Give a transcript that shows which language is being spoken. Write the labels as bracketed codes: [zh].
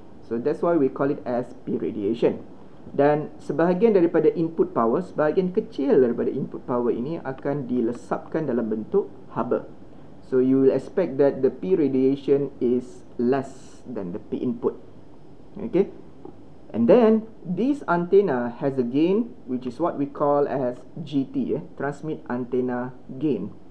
[en] So that's why we call it as P radiation. [ms] Dan sebahagian daripada input power, sebahagian kecil daripada input power ini akan dilesapkan dalam bentuk haba. [en] So you will expect that the P radiation is less than the P input. Okay, and then this antenna has a gain, which is what we call as GT, transmit antenna gain.